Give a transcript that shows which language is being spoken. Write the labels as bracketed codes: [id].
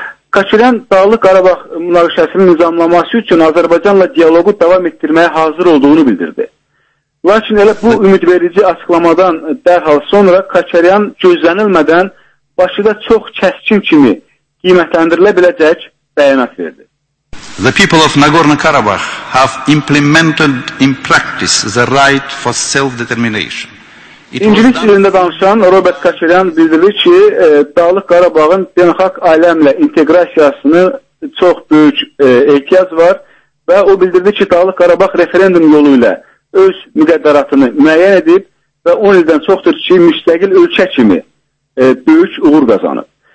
[az] Kaçaryan Dağlı Qarabağ münaqişəsinin nizamlanması üçün Azərbaycanla diyaloqu davam etdirməyə hazır olduğunu bildirdi. Lakin elə bu ümid verici açıqlamadan dərhal sonra Kaçaryan gözlənilmədən Bakıda çox kəskin kimi qiymətləndirilə biləcək bəyanat verdi. [en] The people of Nagorno-Karabakh have implemented in practice the right for self-determination. [az] İngilis dilində danışan Robert Kaçaryan bildirir ki, Dağlıq Qarabağın beynəlxalq aləmlə inteqrasiyasını çox böyük ehtiyac var və o bildirdi ki, Dağlıq Qarabağ referendum yolu ilə öz müqəddəratını müəyyən edib və 10 ildən çoxdur ki, müstəqil ölkə kimi böyük uğur qazanıb.